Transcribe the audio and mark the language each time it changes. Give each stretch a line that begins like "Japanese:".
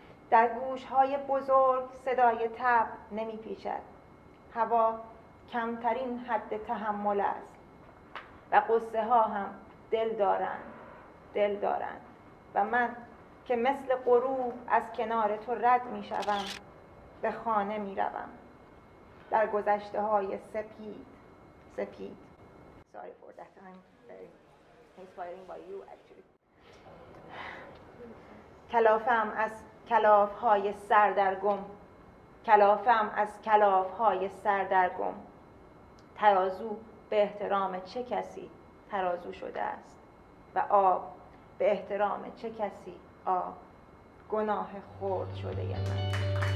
Persian: در گوشهای بزرگ صدای تب نمی پیچد، هوا کمترین حد تحمل است و قصه ها هم دل دارند، دل دارند. و من که مثل غروب از کنار تو رد می شوم، به خانه می روم در گذشته های سپید سپید.
English: Sorry for that, I'm very inspiring by you actually.
Persian: کلافم از کلاف های سردرگم، کلافم از کلاف های سردرگم. ترازو به احترام چه کسی ترازو شده است؟ و آب به احترام چه کسی آب؟ گناه خورد شده من.